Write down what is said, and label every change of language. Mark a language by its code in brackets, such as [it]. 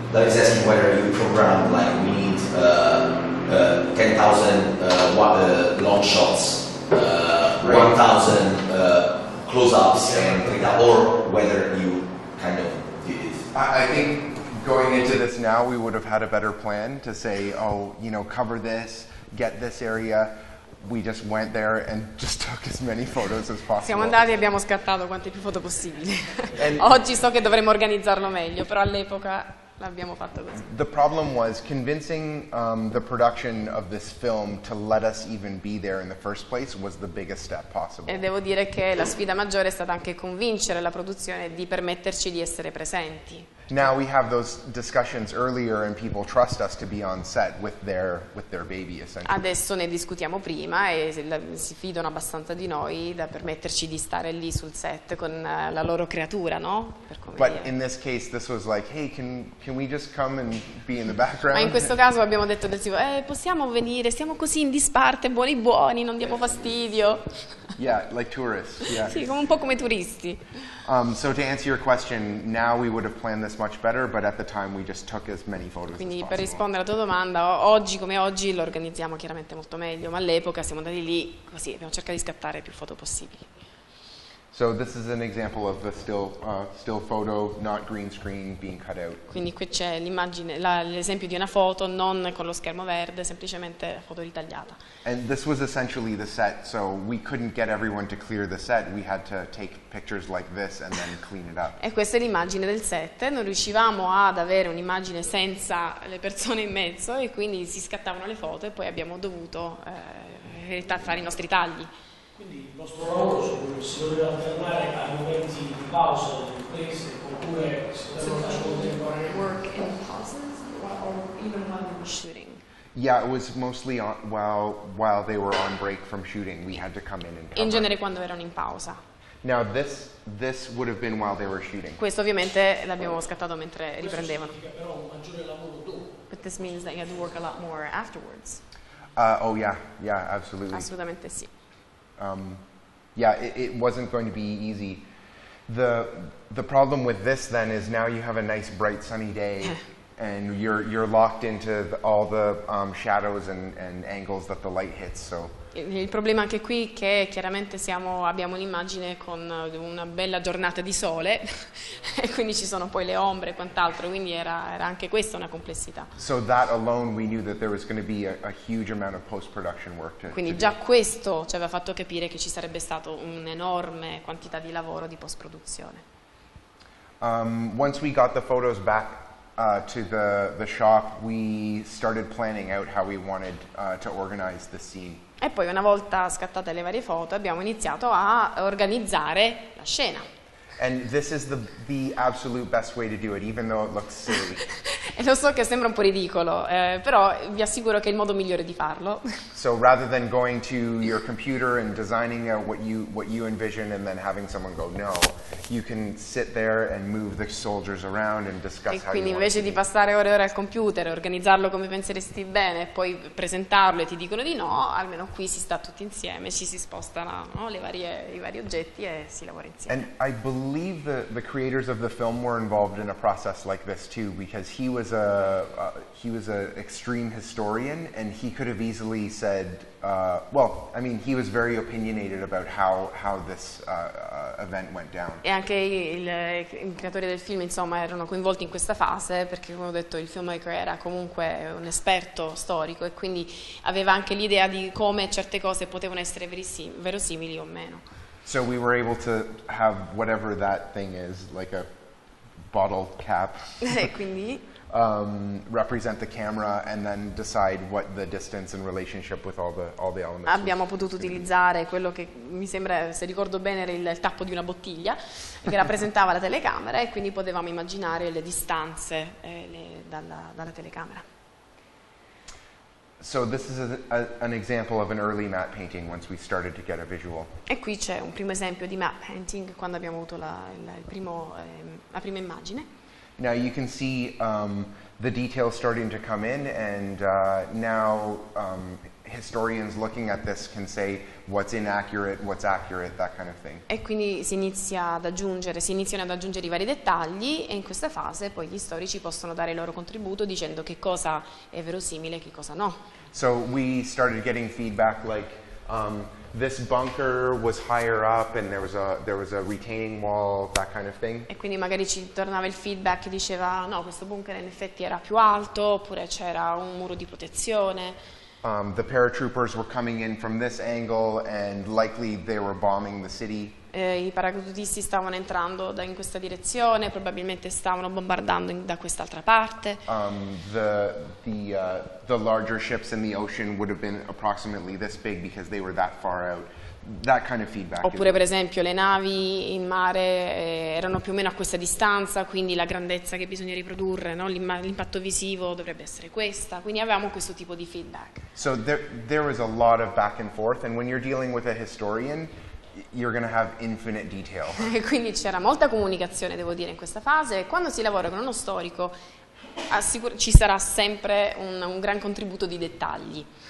[en] That is asking whether you programmed, like, we need 10,000 long shots, 1,000 close-ups, and or whether you kind of did it. I think going into this now, we would have had a better plan to say, oh, you know, cover this, get this area. We just went there and just took as many photos as possible. [it] Siamo andati e abbiamo scattato quante più foto possibili. Oggi so che dovremmo organizzarlo meglio, però all'epoca l'abbiamo fatto così. [en] The problem was convincing the production of this film to let us even be there in the first place was the biggest step possible. [it] E devo dire che la sfida maggiore è stata anche convincere la produzione di permetterci di essere presenti. [en] Now we have those discussions earlier and people trust us to be on set with their baby, essentially. [it] Adesso ne discutiamo prima e si fidano abbastanza di noi da permetterci di stare lì sul set con la loro creatura, no? Per come [en] But [it] dire. [en] In this case this was like, hey, can we just come and be in the background? [it] Ma in questo caso abbiamo detto del tipo, possiamo venire, siamo così in disparte, buoni buoni, non diamo fastidio. [en] Yeah, like tourists, yeah. [it] Sì, come un po' come turisti. [en] So to answer your question, now we would have planned this much better, but at the time we just took as many photos [it] Quindi, [en] as [it] per rispondere alla tua domanda, oggi come oggi lo organizziamo chiaramente molto meglio, ma all'epoca siamo andati lì così, abbiamo cercato di scattare più foto possibili. [en] So this is an example of the still photo, not green screen, being cut out. [it] Quindi qui c'è l'immagine, l'esempio di una foto non con lo schermo verde, semplicemente foto ritagliata. [en] And this was essentially the set, so we couldn't get everyone to clear the set. We had to take pictures like this and then clean it up. [it] E questa è l'immagine del set. Non riuscivamo ad avere un'immagine senza le persone in mezzo e quindi si scattavano le foto e poi abbiamo dovuto fare i nostri tagli. Quindi il vostro lavoro si doveva fermare a momenti di pausa oppure si doveva [en] work in pauses or even while they were shooting. Yeah, it was mostly while they were on break from shooting, we had to come in and cover. [it] In genere quando erano in pausa. [en] Now this would have been while they were shooting. [it] Questo ovviamente l'abbiamo scattato mentre riprendevano. Questo significa però un maggiore lavoro dopo. [en] But this means that you had to work a lot more afterwards. Oh yeah, absolutely. [it] Assolutamente sì. [en] It wasn't going to be easy. The problem with this then is now you have a nice bright sunny day and you're locked into all the shadows and angles that the light hits. So [it] il problema anche qui è che chiaramente abbiamo un'immagine con una bella giornata di sole e quindi ci sono poi le ombre e quant'altro, quindi era anche questa una complessità. [en] So that alone we knew that there was going to be a huge amount of post-production work to [it] Quindi [en] to [it] già [en] do. [it] Questo ci aveva fatto capire che ci sarebbe stato un'enorme quantità di lavoro di post-produzione. [en] Once we got the photos back to the shop, we started planning out how we wanted to organize the scene. [it] E poi una volta scattate le varie foto abbiamo iniziato a organizzare la scena. [en] And this is the absolute best way to do it, even though it looks silly. [it] E lo so che sembra un po' ridicolo, però vi assicuro che è il modo migliore di farlo. [en] So rather than going to your computer and designing what you envision and then having someone go no, you can sit there and move the soldiers around and discuss how you [it] E quindi invece di passare ore e ore al computer e organizzarlo come penseresti bene e poi presentarlo e ti dicono di no, almeno qui si sta tutti insieme, ci si spostano, no, i vari oggetti e si lavora insieme. [en] And I believe the creators of the film were involved in a process like this too, because he was a extreme historian and he could have easily said he was very opinionated about how this event went down. [it] E anche i creatori del film insomma erano coinvolti in questa fase perché come ho detto il filmmaker era comunque un esperto storico e quindi aveva anche l'idea di come certe cose potevano essere verosimili o meno. [en] So we were able to have whatever that thing is, like a bottle cap. [it] E quindi [en] represent the camera and then decide what the distance and relationship with all the elements. [it] Abbiamo potuto utilizzare quello che mi sembra, se ricordo bene, era il tappo di una bottiglia che rappresentava la telecamera e quindi potevamo immaginare le distanze dalla telecamera. [en] So this is an example of an early matte painting once we started to get a visual. [it] E qui c'è un primo esempio di matte painting quando abbiamo avuto la prima immagine. [en] Now you can see the details starting to come in and now historians looking at this can say what's inaccurate, what's accurate, that kind of thing. [it] E quindi si iniziano ad aggiungere i vari dettagli e in questa fase poi gli storici possono dare il loro contributo dicendo che cosa è verosimile e che cosa no. [en] So we started getting feedback like this bunker was higher up and there was a retaining wall, that kind of thing. [it] E quindi magari ci tornava il feedback e diceva no, questo bunker in effetti era più alto, oppure c'era un muro di protezione. [en] The paratroopers were coming in from this angle and likely they were bombing the city. [it] I paracadutisti stavano entrando da in questa direzione, probabilmente stavano bombardando da quest'altra parte. [en] The larger ships in the ocean would have been approximately this big because they were that far out. That kind of feedback. [it] Oppure per esempio le navi in mare erano più o meno a questa distanza, quindi la grandezza che bisogna riprodurre, no? L'impatto visivo dovrebbe essere questa, quindi avevamo questo tipo di feedback. [en] So there was a lot of back and forth, and when you're dealing with a historian, you're going to have infinite detail. [it] Quindi c'era molta comunicazione, devo dire, in questa fase. Quando si lavora con uno storico, ci sarà sempre un gran contributo di dettagli.